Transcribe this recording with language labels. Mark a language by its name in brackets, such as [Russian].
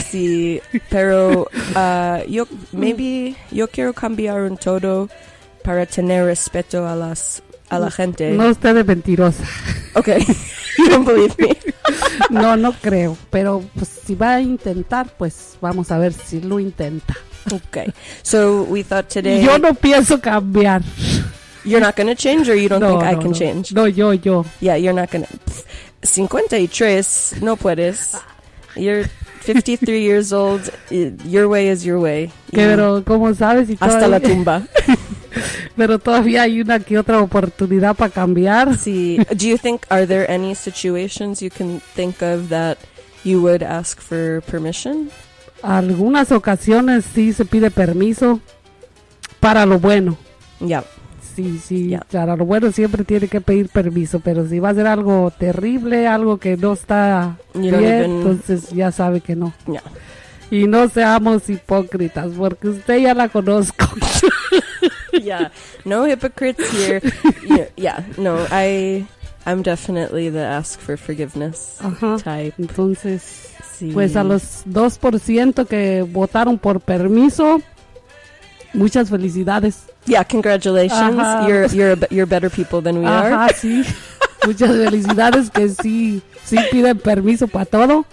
[Spanish] Sí, pero yo, maybe, yo quiero cambiar un todo para tener respeto a las, a la gente. No, usted es mentirosa. [English] Ok, you don't believe me. [Spanish] No, no creo, pero pues, si va a intentar, pues vamos a ver si lo intenta. [English] Ok, so we thought today. [Spanish] Yo no pienso cambiar. [English] You're not going to change or you don't think I can change? [Spanish] No, yo, yo. [English] Yeah, you're not going to. 53, [Spanish] no puedes. [English] You're 53 years old. Your way is your way. [Spanish] Pero, know? ¿Cómo sabes? Y hasta la tumba. Pero todavía hay una que otra oportunidad para cambiar. Sí. [English] Do you think, are there any situations you can think of that you would ask for permission? [Spanish] Algunas ocasiones sí se pide permiso para lo bueno. [English] Yeah. [Spanish] Sí, sí, yeah. Para lo bueno siempre tiene que pedir permiso, pero si va a ser algo terrible, algo que no está [English] you [Spanish] bien, [English] even, [Spanish] entonces ya sabe que no. [English] Yeah. [Spanish] Y no seamos hipócritas, porque usted ya la conozco. [English] Yeah, no hypocrites here. Yeah, no, I'm definitely the ask for forgiveness, ajá, type. [Spanish] Entonces, sí. Pues a los 2% que votaron por permiso, muchas felicidades. [English] Yeah, congratulations. Ajá. You're better people than we, ajá, are. [Spanish] Ajá, sí. Muchas felicidades que sí, sí piden permiso para todo.